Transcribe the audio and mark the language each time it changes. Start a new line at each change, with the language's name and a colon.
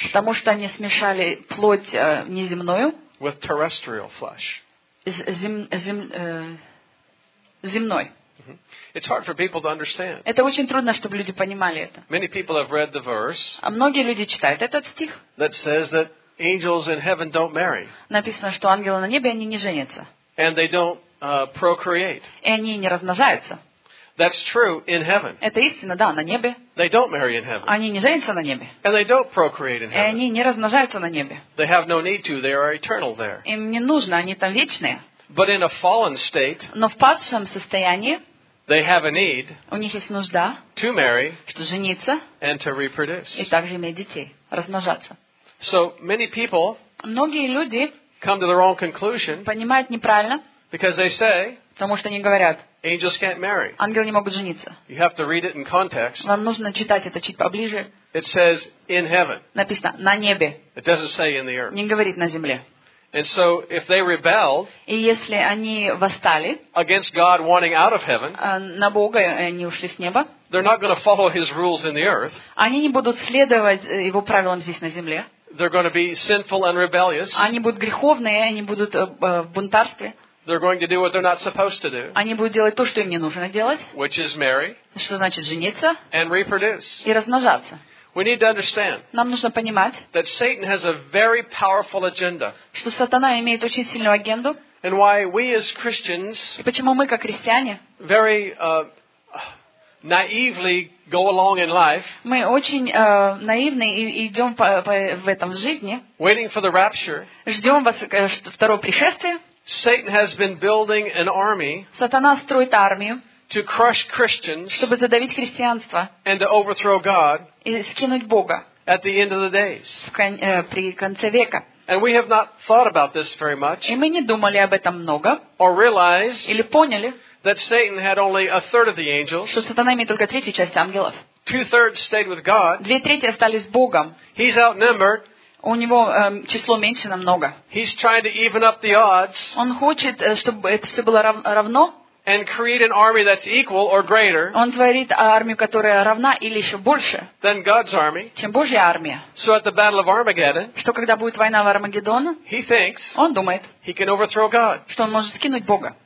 Russian: Потому что они смешали плоть неземную.
English: With terrestrial flesh.
Russian: Земной.
English: It's hard for people to understand.
Russian: Это очень трудно, чтобы люди понимали это.
English: Many people have read the verse.
Russian: А многие люди читают этот стих.
English: That says that angels in heaven don't marry.
Russian: Написано, что ангелы на небе они не женятся.
English: And they don't procreate.
Russian: И они не размножаются.
English: That's true in heaven.
Russian: Это истина, да, на небе.
English: They don't marry in heaven.
Russian: Они не женятся на небе.
English: And they don't procreate in heaven.
Russian: И они не размножаются на небе.
English: They have no need to. They are eternal there.
Russian: Им не нужно, они там вечные.
English: But in a fallen state.
Russian: Но в падшем состоянии.
English: They have a need.
Russian: У них есть нужда.
English: To marry.
Russian: Чтобы жениться.
English: And to reproduce.
Russian: И также иметь детей, размножаться.
English: So many people.
Russian: Многие люди.
English: Come to the wrong conclusion.
Russian: Понимают неправильно.
English: Because they say.
Russian: Потому что они говорят.
English: Angels can't marry.
Russian: Ангелы не могут жениться.
English: You have to read it in context.
Russian: Вам нужно читать это чуть поближе.
English: It says in heaven.
Russian: Написано на небе.
English: It doesn't say in the earth.
Russian: Не говорит на земле.
English: And so if they rebelled,
Russian: и если они восстали
English: against God wanting out of heaven,
Russian: на Бога они ушли с неба,
English: they're not going to follow his rules in the earth.
Russian: Они не будут следовать его правилам здесь на земле.
English: They're going to be sinful and rebellious.
Russian: Они будут греховные, они будут в бунтарстве.
English: They're going to do what they're not supposed to do.
Russian: Они будут делать то, что им не нужно делать.
English: Which is marry.
Russian: Что значит жениться.
English: And reproduce.
Russian: И размножаться.
English: We need to understand.
Russian: Нам нужно понимать.
English: That Satan has a very powerful agenda.
Russian: Что сатана имеет очень сильную агенду.
English: And why we as Christians.
Russian: И почему мы как христиане.
English: Very naively go along in life.
Russian: Мы очень наивны и идем в этом в жизни.
English: Waiting for the rapture.
Russian: Ждем вас второго пришествия.
English: Satan has been building an army.
Russian: Сатана строит армию.
English: To crush Christians.
Russian: Чтобы задавить христианство.
English: And to overthrow God.
Russian: И скинуть Бога.
English: At the end of the days.
Russian: При конце века.
English: And we have not thought about this very much.
Russian: И мы не думали об этом много.
English: Or realize.
Russian: Или поняли.
English: That Satan had only a third of the angels.
Russian: Что сатана имеет только третью часть ангелов.
English: Two thirds stayed with God.
Russian: Две трети остались с Богом.
English: He's outnumbered.
Russian: У него число меньше намного.
English: He's trying to even up the odds.
Russian: Он хочет, чтобы это все было равно.
English: And create an army that's equal or greater.
Russian: Он творит армию, которая равна или еще больше.
English: Than God's army.
Russian: Чем Божья армия.
English: So at the battle of Armageddon.
Russian: Что когда будет война в Армагеддоне?
English: He thinks.
Russian: Он думает.
English: He can overthrow God.
Russian: Что он может скинуть Бога.